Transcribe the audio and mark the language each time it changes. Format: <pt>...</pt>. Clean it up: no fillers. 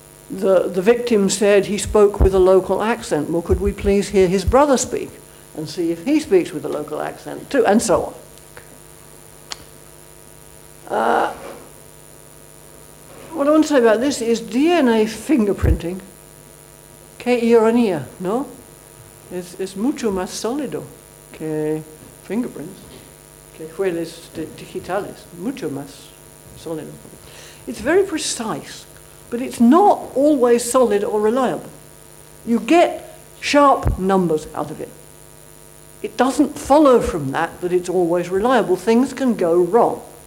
<en>The victim said he spoke with a local accent. Well, could we please hear his brother speak and see if he speaks with a local accent too, and so on. What I want to say about this is DNA fingerprinting.</en> <es>Que ironía, no? Es mucho más sólido que fingerprints, que huellas digitales. Mucho más sólido.</es> <en>It's very precise, but it's not always solid or reliable. You get sharp numbers out of it. It doesn't follow from that that it's always reliable. Things can go wrong.</en>